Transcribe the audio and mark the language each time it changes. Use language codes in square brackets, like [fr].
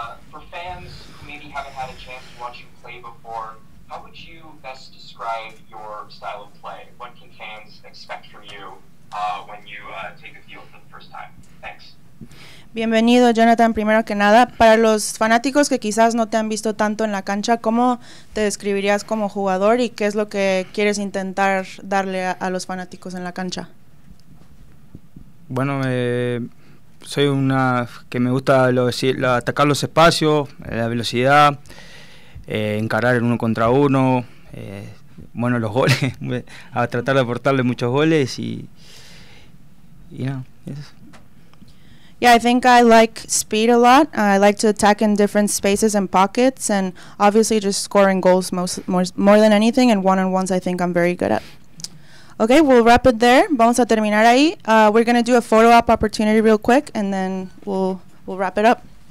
[en] For fans who maybe haven't had a chance to watch you play before, how would you best describe your style of play? What can fans expect from you when you take a field for the first time? Thanks. [es] Bienvenido, Jonathan. Primero que nada, para los fanáticos que quizás no te han visto tanto en la cancha, ¿cómo te describirías como jugador y qué es lo que quieres intentar darle a los fanáticos en la cancha? Bueno, soy una que me gusta atacar los espacios, la velocidad, encarar el uno contra uno, bueno, los goles, a tratar de aportarle muchos goles y nada, eso. [en] Yeah, I think I like speed a lot. I like to attack in different spaces and pockets, and obviously just scoring goals more than anything, and one-on-ones I think I'm very good at. Okay, we'll wrap it there. [es] Vamos a terminar ahí. [en] We're going to do a photo op opportunity real quick, and then we'll wrap it up.